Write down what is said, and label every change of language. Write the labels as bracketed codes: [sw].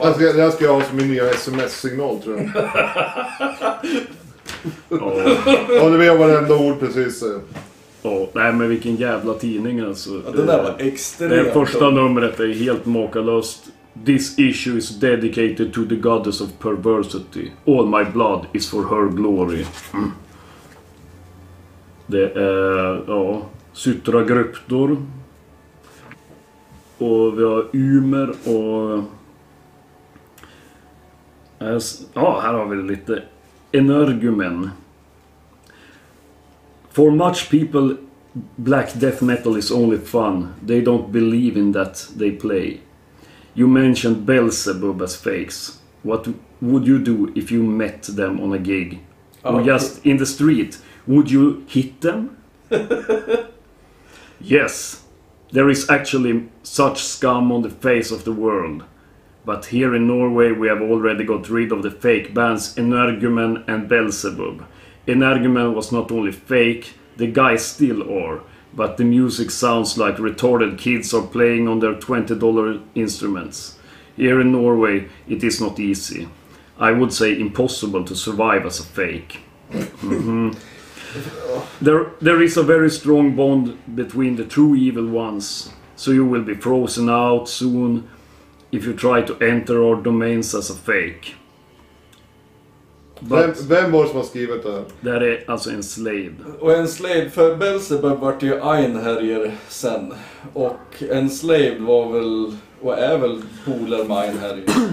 [sv] Alltså, det här ska jag ha som min nya sms-signal, tror jag. Ja, det var varenda ord precis. Ja, nej, men vilken jävla tidning alltså. Ja, den där var extremt. Det första numret är helt makalöst. [en] This issue is dedicated to the goddess of perversity. All my blood is for her glory. [sv] Mm. Det är, ja, Sutra Gryptor. Och vi har Ymer och... Ja, här har vi lite energumen. [en] For much people, black death metal is only fun. They don't believe in that they play. You mentioned Belzebub as fakes. What would you do if you met them on a gig? Or just in the street? Would you hit them? Yes. There is actually such scum on the face of the world. But here in Norway we have already got rid of the fake bands Energumen and Belzebub. Energumen was not only fake, the guys still are. But the music sounds like retarded kids are playing on their $20 instruments. Here in Norway, it is not easy. I would say impossible to survive as a fake. Mm-hmm. There is a very strong bond between the true evil ones. So you will be frozen out soon if you try to enter our domains as a fake. [sv] But vem var som har skrivit det? Det är alltså en slave. Och en slave, för Belzebub vart ju Einherjer sen. Och en slave var väl, och är väl, polare med Einherjer.